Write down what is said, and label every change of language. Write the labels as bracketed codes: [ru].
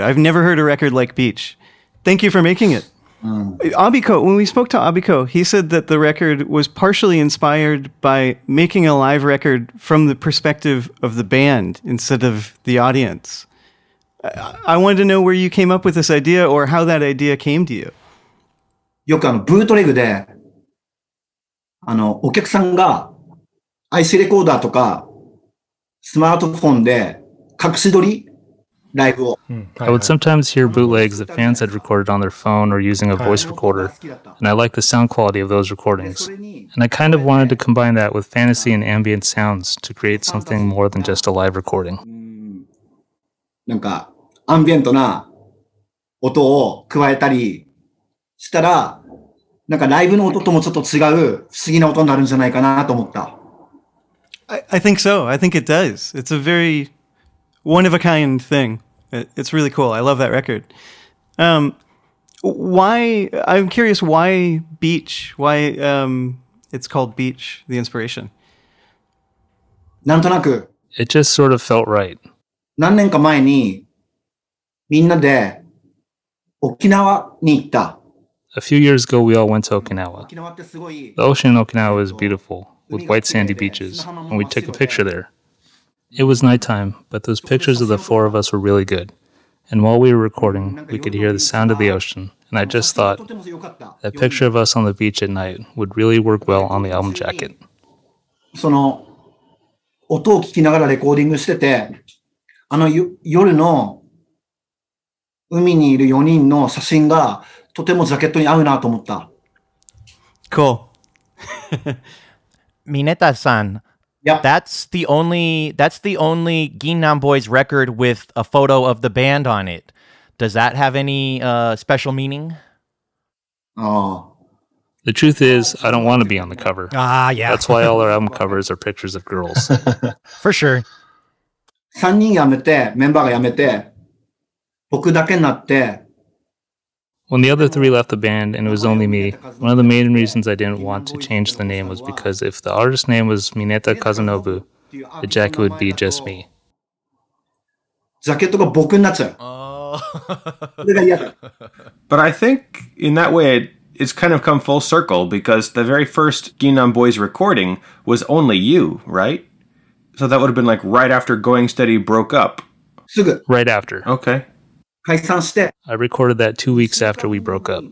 [en] I've never heard a record like Beach. Thank you for making it. Abiko, when we spoke to Abiko, he said that the record was partially inspired by making a live record from the perspective of the band instead of the audience. I wanted to know where you came up with this idea or how that idea came to you. [ja] よくブートレグで、お客さんが IC レコーダーとかスマートフォンで隠し撮り [en] I would sometimes hear bootlegs that fans had recorded on their phone or using a voice recorder, and I liked the sound quality of those recordings. And I kind of wanted to combine that with fantasy and ambient sounds to create something more than just a live recording. [ja] なんか、アンビエントな音を加えたりしたら、なんかライブの音ともちょっと違う不思議な音になるんじゃないかなと思った。 [en] I think so. I think it does. It's a very... one-of-a-kind thing. It's really cool. I love that record. I'm curious, why Beach? Why it's called Beach, the inspiration? [ja] なんとなく。 [en] It just sort of felt right. [ja] 何年か前にみんなで沖縄に行った。 [en] A few years ago, we all went to Okinawa. The ocean in Okinawa is beautiful, with white sandy beaches, and we took a picture there. It was nighttime, but those pictures of the four of us were really good. And while we were recording, we could hear the sound of the ocean. And I just thought, that picture of us on the beach at night would really work well on the album jacket. [ja] その音を聞きながらレコーディングしてて、あの夜の海にいる4人の写真がとてもジャケットに合うなと思った。 [en] Cool. Mineta-san. Yep. That's the only Gangnam Boys record with a photo of the band on it. Does that have any special meaning? Oh. The truth is, I don't want to be on the cover. Ah, yeah. That's why all our album covers are pictures of girls. For sure. [ja] 3人辞めて、メンバーが辞めて、僕だけになって。 [en] When the other three left the band and it was only me, one of the main reasons I didn't want to change the name was because if the artist name was Mineta Kazunobu, the jacket would be just me. [ja] Jacket が僕になっちゃう。それが嫌だ。 [en] But I think in that way it's kind of come full circle because the very first Gangnam Boys recording was only you, right? So that would have been like right after Going Steady broke up. [ja] すぐ。 [en] Right after. Okay. [ja] 解散して。 [en] I recorded that 2 weeks after we broke up.